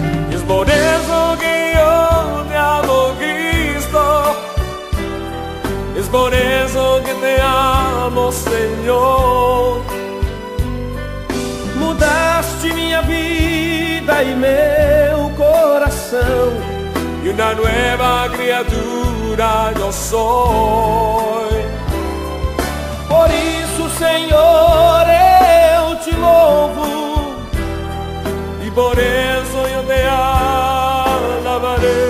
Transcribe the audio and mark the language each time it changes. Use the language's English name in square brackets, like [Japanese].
[Spanish] Y es por eso que yo te amo, Cristo. Es por eso que te amo, Señor. [Portuguese] Mudaste minha vida e meu coração, [Spanish] y una nueva criatura yo soy. [Portuguese] Por isso, Senhor, eu te louvo, e por isso eu te [Spanish] alabarei.